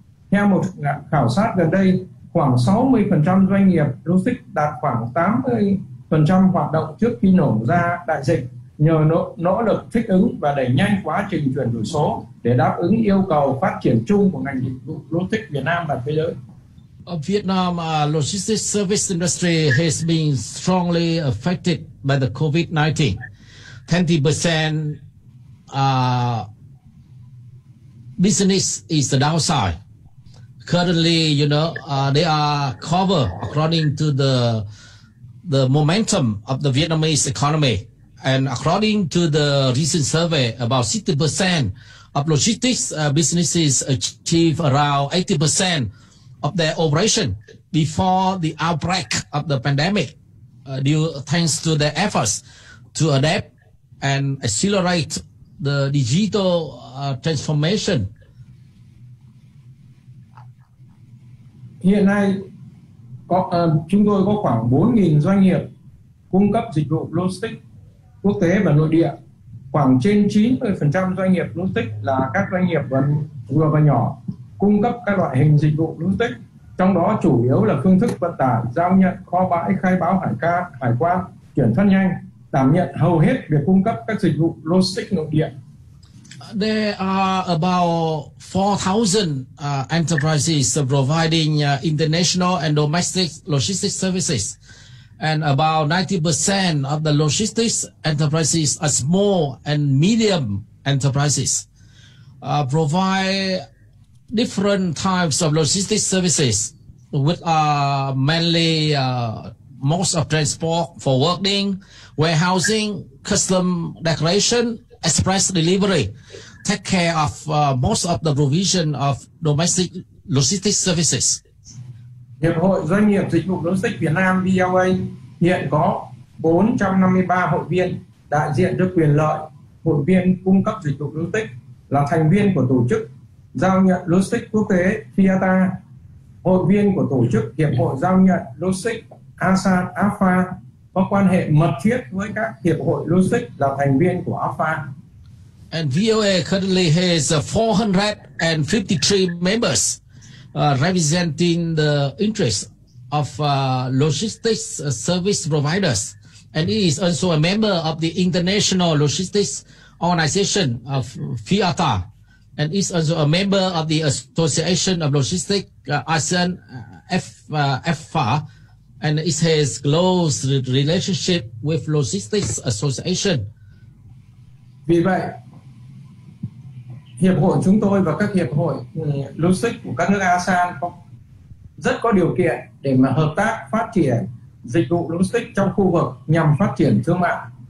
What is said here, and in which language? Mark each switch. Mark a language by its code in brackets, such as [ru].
[vi] Theo một khảo sát gần đây, khoảng 60% doanh nghiệp logistics đạt khoảng 80% hoạt động trước khi nổ ra đại dịch, nhờ nỗ lực thích ứng và đẩy nhanh quá trình chuyển đổi số để đáp ứng yêu cầu phát triển chung của ngành dịch vụ logistics Việt Nam và thế giới. [en] Vietnam logistics service industry has been strongly affected by the COVID-19. 20% business is the downside. Currently, they are covered according to the momentum of the Vietnamese economy. And according to the recent survey, about 60% of logistics businesses achieve around 80% of their operation before the outbreak of the pandemic, thanks to their efforts to adapt and accelerate the digital transformation. [vi] Hiện nay, chúng tôi có khoảng 4.000 doanh nghiệp cung cấp dịch vụ logistics quốc tế và nội địa. Khoảng trên 90% doanh nghiệp logistics là các doanh nghiệp vừa và nhỏ cung cấp các loại hình dịch vụ logistics, trong đó chủ yếu là phương thức vận tải, giao nhận, kho bãi, khai báo hải quan, chuyển phát nhanh, đảm nhận hầu hết việc cung cấp các dịch vụ logistics nội địa. [en] There are about 4,000 enterprises providing international and domestic logistics services, and about 90% of the logistics enterprises are small and medium enterprises, provide different types of logistics services, which are mainly most of transport, forwarding, warehousing, custom decoration, express delivery, take care of most of the provision of domestic logistics services. [vi] Hiệp hội Doanh nghiệp Dịch vụ Logistics Việt Nam VLA hiện có 453 hội viên đại diện cho quyền lợi hội viên cung cấp dịch vụ logistics, là thành viên của tổ chức giao nhận logistics quốc tế FIATA, hội viên của tổ chức Hiệp hội Giao nhận Logistics ASEAN AFA, có quan hệ mật thiết với các hiệp hội logistics là thành viên của AFA. [en] And VOA currently has 453 members representing the interests of logistics service providers, and it is also a member of the International Logistics Organization of FIATA, and is also a member of the Association of Logistics ASEAN AFA, and it has close relationship with Logistics Association. [vi] Vì vậy, hiệp hội chúng tôi và các hiệp hội logistics của các nước ASEAN rất có điều kiện để mà hợp tác phát triển dịch vụ logistics trong khu vực nhằm phát triển thương mại.